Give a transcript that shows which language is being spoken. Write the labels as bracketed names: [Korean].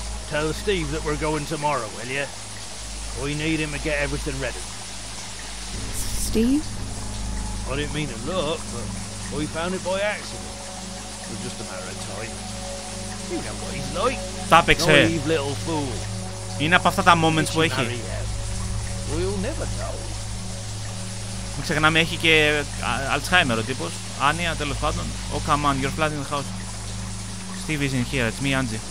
[English] Tell Steve that we're going tomorrow, will you? We need him to get everything ready. Steve? I didn't mean to look, but we found it by accident. It was just a matter of time. You know what he's like. Stop it, sir. Naive little fool. [Greek] Είναι από αυτά τα moments που έχει. [English] We'll never know. [Greek] Μην ξεχνάμε, έχει και Alzheimer ο τύπος. Άνια, τέλος πάντων. [English] Oh, come on, you're flooding the house. Steve isn't here, it's me, Angie.